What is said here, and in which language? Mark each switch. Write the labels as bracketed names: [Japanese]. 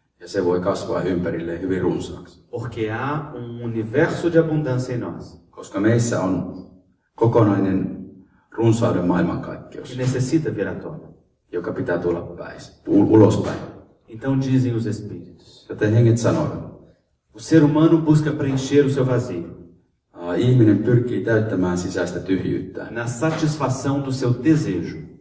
[Finnish] Ja se voi kasvaa ympärille hyvin runsaaksi. [Portuguese] Porque há um universo de abundância em nós. [Finnish] Koska meissä on kokonainen runsauden maailmankaikkeus. [Portuguese] Que necessita vir à tona. [Finnish] Joka pitää tulla pääs, ulospäin. [Portuguese] Então dizem os espíritos. [Finnish] Joten henget sanoivat. [Portuguese] O ser humano busca preencher o seu vazio. [Finnish] ihminen pyrkii täyttämään sisäistä tyhjyyttä. [Portuguese] Na satisfação do seu desejo.